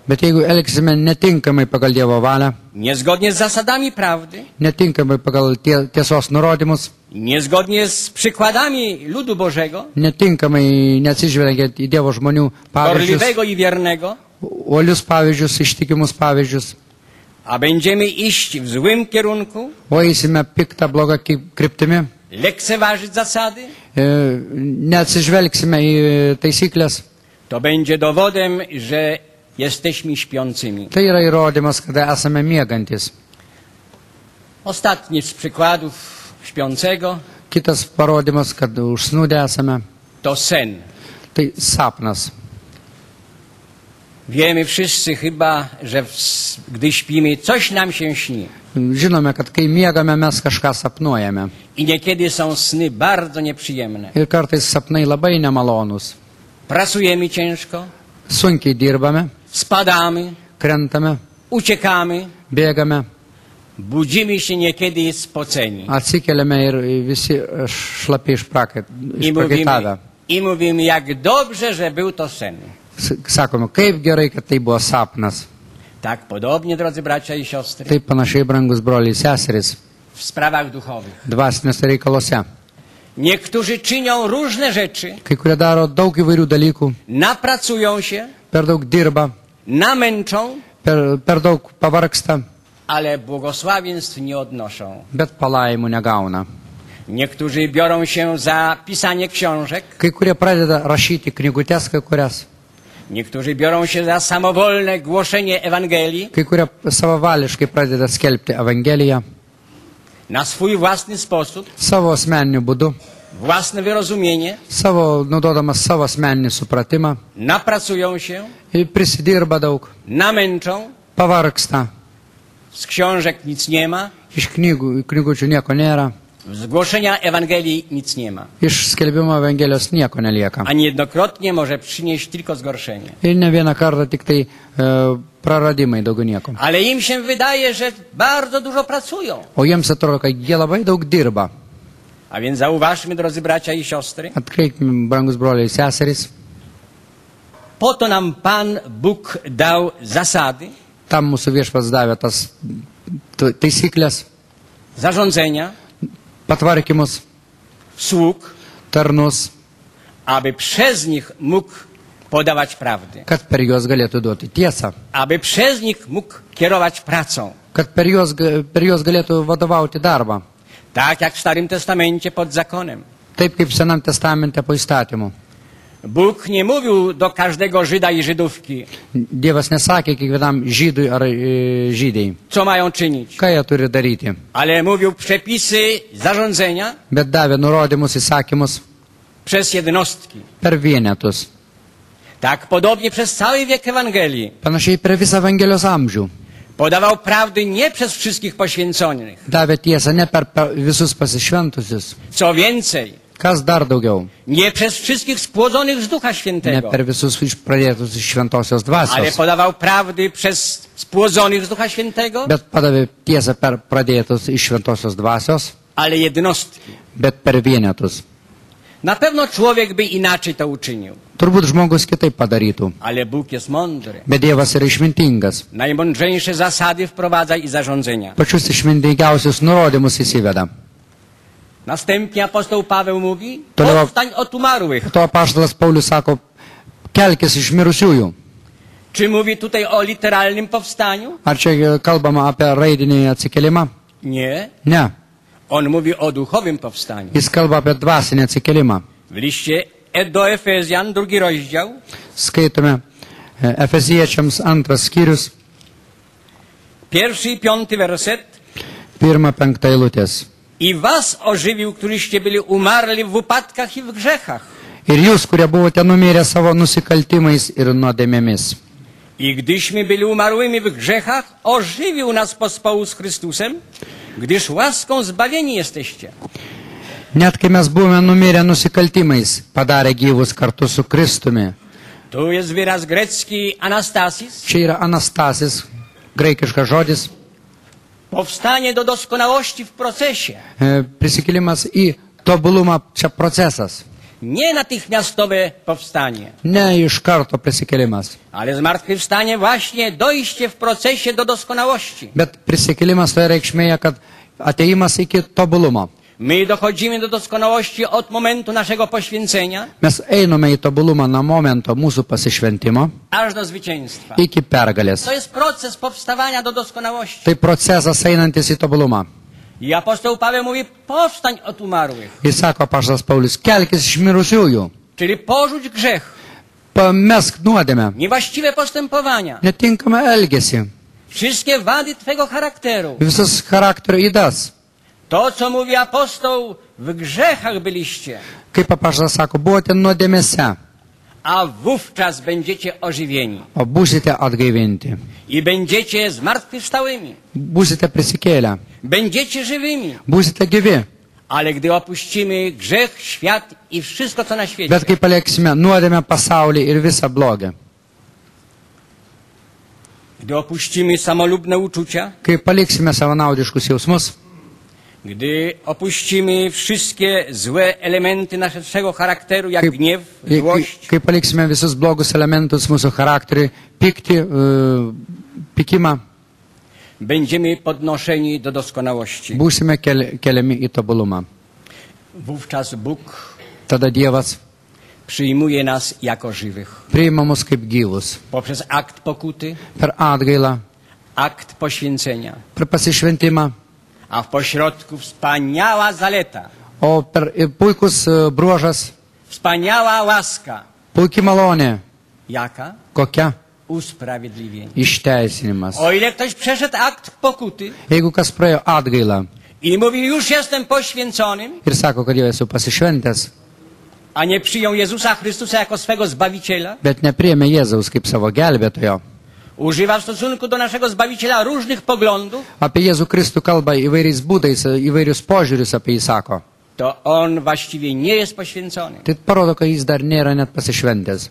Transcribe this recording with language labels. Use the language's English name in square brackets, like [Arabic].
[Lithuanian] bet jeigu elgsime netinkamai pagal Dievo valią, [Polish] niezgodnie z zasadami prawdy, [Lithuanian] netinkamai pagal tiesos nurodymus, [Polish] niezgodnie z przykładami ludu Bożego, [Lithuanian] netinkamai neatsižvelgiant į Dievo žmonių pavyzdžius, [Polish] orlivego i wiernego, [Lithuanian] uolius pavyzdžius, ištikimus pavyzdžius, [Polish] a będziemy iść w złym kierunku, [Lithuanian] o eisime piktą blogą kryptimi, [Polish] lekceważyć zasady, [Lithuanian] neatsižvelgsime į taisyklės, [Polish] to będzie dowodem, że jesteśmy śpiącymi. [Lithuanian] Tai yra įrodymas, kada esame miegantis. [Polish] Ostatni z przykładów śpiącego. [Lithuanian] Kitas parodymas, kad užsnūdę esame. [Polish] To sen. [Lithuanian] Tai sapnas. [Polish] Wiemy wszyscy chyba, że gdy śpimy, coś nam się śni. [Lithuanian] Žinome, kad kai miegame, mes kažką sapnuojame. [Polish] I niekiedy są sny bardzo nieprzyjemne. [Lithuanian] Ir kartais sapnai labai nemalonus. [Polish] Pracujemy ciężko. [Lithuanian] Sunkiai dirbame. [Polish] Spadamy. [Lithuanian] Krentame. [Polish] Uciekamy. [Lithuanian] Biegame. [Polish] Budzimy się niekiedy spoceni. [Lithuanian] Atsikeliame ir visi šlapi išprakaitavę. [Polish] I mówimy, jak dobrze, że był to sen. [Lithuanian] Sakome, kaip gerai, kad tai buvo sapnas. [Polish] Tak podobnie, drodzy bracia i siostry. [Lithuanian] Taip panašiai, brangus broliai, seserys. [Polish] W sprawach duchowych. [Lithuanian] Dvasiniuose reikaluose. [Polish] Niektórzy czynią różne rzeczy. [Lithuanian] Kai kurie daro daug įvairių dalykų. [Polish] Napracują się. [Lithuanian] Per daug dirba. [Polish] Namęczą. [Lithuanian] Per daug pavarksta. [Polish] Ale błogosławieństw nie odnoszą. [Lithuanian] Bet palaimų negauna. [Polish] Niektórzy biorą się za pisanie książek. [Lithuanian] Kai kurie pradeda rašyti knygutės, kai kurias. [Polish] Niektórzy biorą się za samowolne głoszenie Ewangelii. [Lithuanian] Kai kurie savavališkai pradeda skelbti Evangeliją. [Polish] Na swój własny sposób. [Lithuanian] Savo asmeniniu būdu. [Polish] Własne wyrozumienie. [Lithuanian] Savo, naudodamas savo asmeninį supratimą. [Polish] Napracują się. [Lithuanian] I prisidirba daug. [Polish] Namęczą. [Lithuanian] Pavarksta. [Polish] Z książek nic nie ma. [Lithuanian] Iš knygų, knygučių nieko nėra. [Polish] Z głoszenia Ewangelii nic nie ma. [Lithuanian] Iš skelbimo Evangelijos nieko nelieka. [Polish] A niejednokrotnie może przynieść tylko zgorszenie. [Lithuanian] I ne vieną kartą tik tai praradimai daugiau nieko. [Polish] Ale im się wydaje, że bardzo dużo pracują. [Lithuanian] O jiems atrodo, kad jie labai daug dirba. [Polish] A więc zauważmy, drodzy bracia i siostry. [Lithuanian] Atkreipkime, brangus broliai i seserys. [Polish] Po to nam Pan Bóg dał zasady. [Lithuanian] Tam mūsų viešpats davė tas taisyklės. [Polish] Zarządzenia. [Lithuanian] Patvarkymus. [Polish] Sług. [Lithuanian] Tarnus. [Polish] Aby przez nich mógł podawać prawdy. [Lithuanian] Kad per juos galėtų duoti tiesą. [Polish] Aby przez nich mógł kierować pracą. [Lithuanian] Kad per juos galėtų vadovauti darbą. [Polish] Tak jak w Starym Testamencie pod zakonem. [Lithuanian] Taip kaip Senam Testamente po įstatymu. [Polish] Bóg nie mówił do każdego Żyda i Żydówki. [Lithuanian] Dievas nesakė kiekvienam Żydui ar Żydei. [Polish] Co mają czynić. [Lithuanian] Ką jie turi daryti. [Polish] Ale mówił przepisy zarządzenia. [Lithuanian] Bet davė nurodymus, įsakymus. [Polish] Przez jednostki. [Lithuanian] Per vienetus. [Polish] Tak podobnie przez cały wiek Ewangelii. [Lithuanian] Panašiai per visą Evangelijos amžių. [Polish] Podawał prawdy nie przez wszystkich poświęconych. [Lithuanian] Davė tiesą ne per visus pasišventusius. [Polish] Co więcej. [Lithuanian] Kas dar daugiau? [Polish] Nie przez wszystkich spłodzonych z Ducha Świętego. [Lithuanian] Ne per visus iš pradėtus iš šventosios dvasios. [Polish] Ale podawał prawdy przez spłodzonych z Ducha Świętego. [Lithuanian] Bet padavė tiesą per pradėtus iš šventosios dvasios. [Polish] Ale jednostki. [Lithuanian] Bet per vienetus. [Polish] Na pewno człowiek by inaczej to uczynił. [Lithuanian] Turbūt žmogus kitaip padarytų. [Polish] Ale Bóg jest mądry. [Lithuanian] Bet Dievas yra išmintingas. [Polish] Najmądrzejsze zasady wprowadza i zarządzenia. [Lithuanian] Pačius išmintingiausius nurodymus įsiveda. [Polish] Następnie apostoł Paweł mówi, powstań od umarłych. [Lithuanian] To apaštalas Paulius sako, kelkis iš mirusiųjų. [Polish] Czy mówi tutaj o literalnym powstaniu? [Lithuanian] Ar čia kalbama apie raidinį atsikėlimą? [Polish] Nie. Nie. On mówi o duchowym powstaniu. [Lithuanian] Jis kalba apie dvasinį atsikėlimą. [Polish] W liście do Efezjan, drugi rozdział. [Lithuanian] Skaitome Efeziečiams antras skyrius. [Polish] Pierwszy i piąty werset. [Lithuanian] Pirma, penkta eilutės. [Polish] I was ożywił, któryście byli umarli w upadkach i w grzechach. [Lithuanian] Ir jūs, kurie buvote numirę savo nusikaltimais ir nuodėmėmis. [Polish] I gdyśmy byli umarłymi w grzechach, ożywił nas pospołu z Chrystusem, gdyż łaską zbawieni jesteście. [Lithuanian] Net kai mes buvome numirę nusikaltimais, padarę gyvus kartu su Kristumi. [Polish] Tu jest wyraz grecki anastasis. [Lithuanian] Čia yra anastasis, graikiškas žodis. [Polish] Powstanie do doskonałości w procesie. [Lithuanian] Prisikėlimas i tobulumą čia procesas. [Polish] Nie natychmiastowe powstanie. [Lithuanian] Nie iš karto prisikėlimas. [Polish] Ale zmartwychwstanie właśnie dojście w procesie do doskonałości. [Lithuanian] Bet prisikėlimas to reikšmėje, kad atėjimas iki tobulumo. [Polish] My dochodzimy do doskonałości od momentu naszego poświęcenia. [Lithuanian] Mes einame į tobulumą na momento mūsų pasišventimo. [Polish] Aż do zwycięstwa. [Lithuanian] Iki pergalės. [Polish] To jest proces powstawania do doskonałości. [Lithuanian] Tai procesas einantis į tobulumą. [Polish] I apostoł Paweł mówi, powstań od umarłych. [Lithuanian] I sako apaštalas Paulius, kelkis iš mirusiųjų. [Polish] Czyli porzuć grzech. [Lithuanian] Pamesk nuodėmę. [Polish] Niewłaściwe postępowania. [Lithuanian] Netinkamą elgesį. [Polish] Wszystkie wady twego charakteru. [Lithuanian] Visas charakterio ydas. [Polish] To, co mówi apostoł, w grzechach byliście. [Lithuanian] Kaip apaštalas sako, buvote nuodėmėse. [Polish] A wówczas będziecie ożywieni. [Lithuanian] O būsite atgaivinti. [Polish] I będziecie zmartwychwstałymi. [Lithuanian] Būsite prisikėlę. [Polish] Będziecie żywymi. [Lithuanian] Būsite gyvi. [Polish] Ale gdy opuścimy grzech, świat i wszystko, co na świecie. [Lithuanian] Bet kai paliksime nuodėmę pasaulį ir visą blogę. [Polish] Gdy opuścimy samolubne uczucia. [Lithuanian] Kai paliksime savanaudiškus jausmus. [Polish] Gdy opuścimy wszystkie złe elementy naszego charakteru, jak gniew, złość. [Lithuanian] Kai paliksime visus blogus elementus mūsų charakterį, pikti, pikimą. [Polish] Będziemy podnoszeni do doskonałości. [Lithuanian] Būsime keliami į tobulumą. [Polish] Wówczas Bóg [Lithuanian] tada Dievas [Polish] przyjmuje nas jako żywych. [Lithuanian] Priima mus kaip gyvus. [Polish] Poprzez akt pokuty. [Lithuanian] Per atgailą. [Polish] Akt poświęcenia. [Lithuanian] Per pasišventimą. [Polish] A w pośrodku wspaniała zaleta. [Lithuanian] O per puikus bruožas. [Polish] Wspaniała łaska. [Lithuanian] Puiki malonė. [Polish] Jaka? [Lithuanian] Kokia? [Polish] Usprawiedliwienie. [Lithuanian] Išteisinimas. [Polish] O ile ktoś przeszedł akt pokuty. [Lithuanian] Jeigu kas praėjo atgailą. [Polish] I mówi, już jestem poświęconym. [Lithuanian] Ir sako, kad jau esu pasišventęs. [Polish] A nie przyjął Jezusa Chrystusa jako swego zbawiciela. [Lithuanian] Bet nepriėmė Jėzaus kaip savo gelbėtojo. [Polish] Używa w stosunku do naszego Zbawiciela różnych poglądów. [Lithuanian] Apie Jezu Chrystu kalba įvairiais būdais, įvairius požiūrius apie jį sako. [Polish] To on właściwie nie jest poświęcony. [Lithuanian] Tai parodo, kad jis dar nėra net pasišventęs.